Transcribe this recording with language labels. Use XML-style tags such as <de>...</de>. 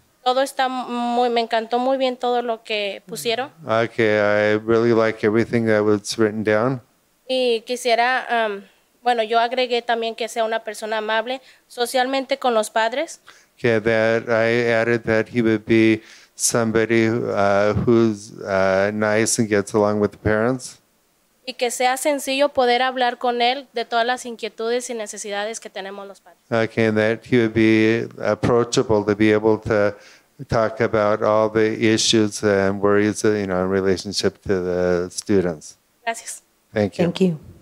<es>Todo está muy, me encantó muy bien todo lo que pusieron.</es> <en>Okay, I really like everything that was written down.</en> <es>Y quisiera... bueno, yo agregué también que sea una persona amable socialmente con los padres.</es> <en>Okay, that I added that he would be somebody who's nice and gets along with the parents.</en> <es>Y que sea sencillo poder hablar con él de todas las inquietudes y necesidades que tenemos los padres.</es> <en>Okay, and that he would be approachable to be able to talk about all the issues and worries, you know, in relationship to the students.</en> <es>Gracias.</es> <en>Thank you. Thank you.</en>